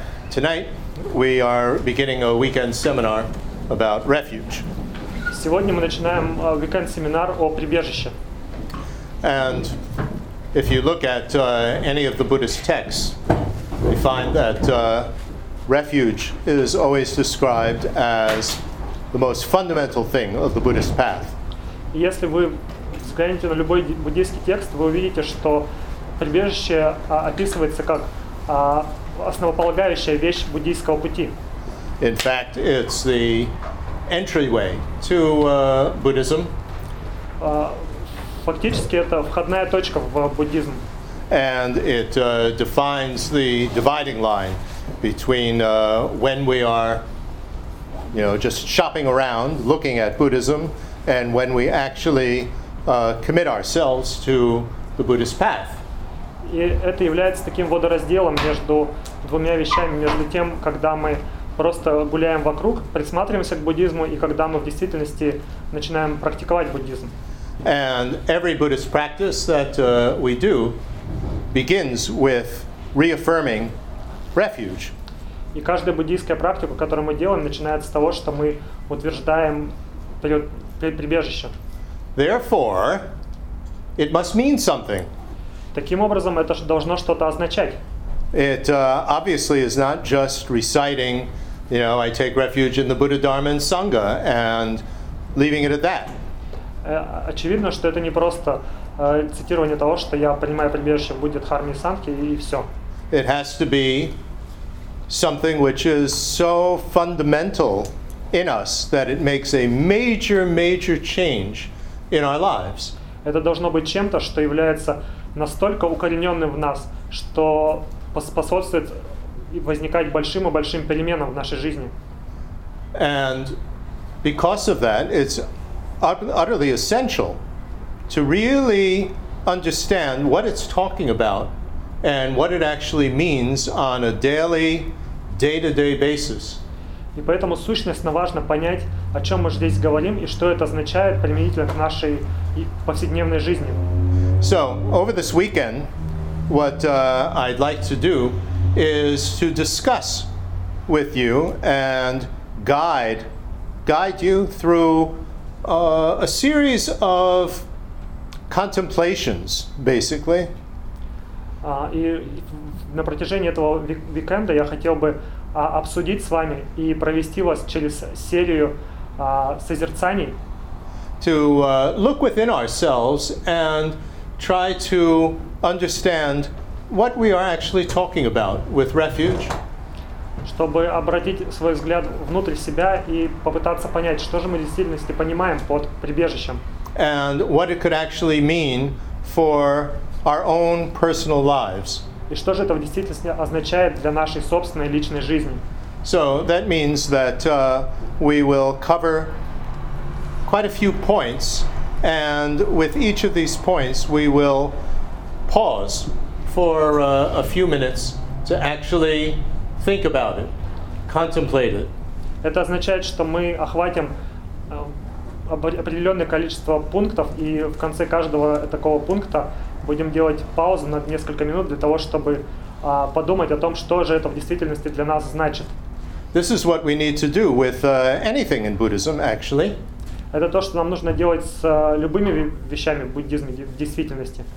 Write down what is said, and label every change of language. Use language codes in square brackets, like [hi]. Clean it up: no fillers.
[en] Tonight, we are beginning a weekend seminar about refuge. [ru] Сегодня мы начинаем weekend семинар о прибежище. [en] And if you look at any of the Buddhist texts, we find that refuge is always described as the most fundamental thing of the Buddhist path. [ru] Если вы взглянете на любой буддийский текст, вы увидите, что прибежище описывается как основополагающая вещь буддийского пути. [en] In fact, it's the entryway to Buddhism. [ru] Фактически это входная точка в буддизм. [en] And it defines the dividing line between when we are, you know, just shopping around looking at Buddhism and when we actually commit ourselves to the Buddhist path. [ru] И это является таким водоразделом между двумя вещами, между тем, когда мы просто гуляем вокруг, присматриваемся к буддизму, и когда мы в действительности начинаем практиковать буддизм. [en] And every Buddhist practice that we do begins with reaffirming refuge. [ru] И каждая буддийская практика, которую мы делаем, начинается с того, что мы утверждаем прибежище. [en] Therefore, it must mean something. [ru] Таким образом, это должно что-то означать. [en] It obviously is not just reciting, you know, I take refuge in the Buddha, Dharma, and Sangha, and leaving it at that. [ru] Очевидно, что это не просто цитирование того, что я принимаю прибежище в Будде, Дхарме и Сангхе, и все. [en] It has to be something which is so fundamental in us that it makes a major, major change in our lives. [ru] Это должно быть чем-то, что является настолько укорененным в нас, что способствует возникать большим и большим переменам в нашей жизни. [en] And because of that, it's utterly essential to really understand what it's talking about and what it actually means on a daily, day-to-day basis. [ru] И поэтому сущностно важно понять, о чем мы здесь говорим и что это означает применительно к нашей повседневной жизни. [en] So, over this weekend, what I'd like to do is to discuss with you and guide you through a series of contemplations, basically. [ru] И на протяжении этого викенда я хотел бы обсудить с вами и провести вас через серию созерцаний. [en] To look within ourselves and try to understand what we are actually talking about with refuge. [ru] Чтобы обратить свой взгляд внутрь себя и попытаться понять, что же мы в действительности понимаем под прибежищем. [en] And what it could actually mean for our own personal lives. [ru] И что же это в действительности означает для нашей собственной личной жизни. [en] So that means that we will cover quite a few points. And with each of these points, we will pause for a few minutes to actually think about it, contemplate it. [ru] Это означает, что мы охватим определенное количество пунктов, и в конце каждого такого пункта будем делать паузу на несколько минут для того, чтобы подумать о том, что же это в действительности для нас значит. [en] This is what we need to do with anything in Buddhism, actually. [ru] Это то, что нам нужно делать с любыми вещами в буддизме в действительности.